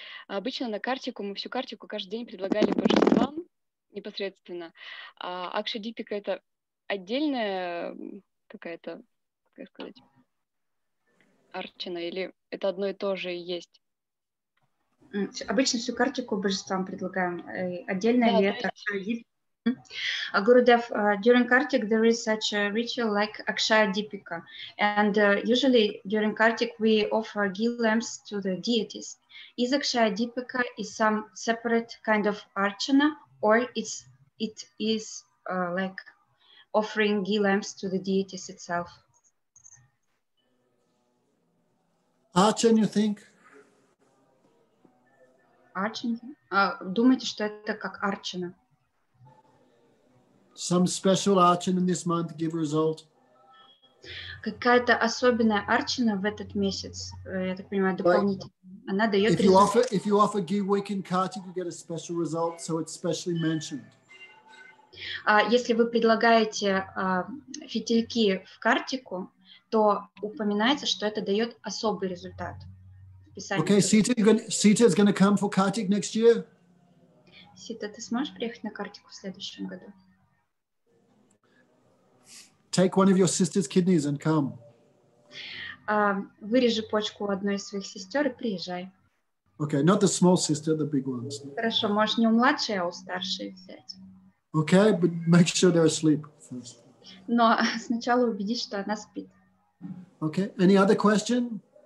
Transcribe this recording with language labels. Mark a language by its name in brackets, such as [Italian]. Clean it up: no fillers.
[Russian] Обычно на Картику, мы всю Картику каждый день предлагали божествам непосредственно. А Акшая Дипика — это отдельная какая-то, как сказать, арчана, или это одно и то же и есть? Обычно всю Картику божествам предлагаем. Отдельная ли это Акшая Дипика? [English] Gurudev, during Kartik there is such a ritual like Akshaya Dipika, and usually during Kartik we offer ghee lamps to the deities. Is Akshaya Dipika is some separate kind of archana, or it is like offering ghee lamps to the deities itself? Archana, you think? [Russian] Archana? Думаете, что это как archana? [English] Some special archana in this month give result. [Russian] Какая-то особенная арчана в этот месяц, я так понимаю, дополнительно. Она дает результат. [English] If you offer ghee, wick, and kati, you get a special result, so it's specially mentioned. [Russian] Если вы предлагаете фитильки в картику, то упоминается, что это дает особый результат. [English] Okay, Sita is going to come for Kartik next year. [Russian] Sita, ты сможешь приехать на Картику в следующем году? [English] Take one of your sister's kidneys and come. [Russian] Вырежи почку у одной из своих сестер и приезжай. [English] Okay, not the small sister, the big ones. [Russian] Хорошо, можешь не у младшей, а у старшей взять. [English] Okay, but make sure they're asleep first. [Russian] Но сначала убедись, что она спит. [English] Okay, any other question?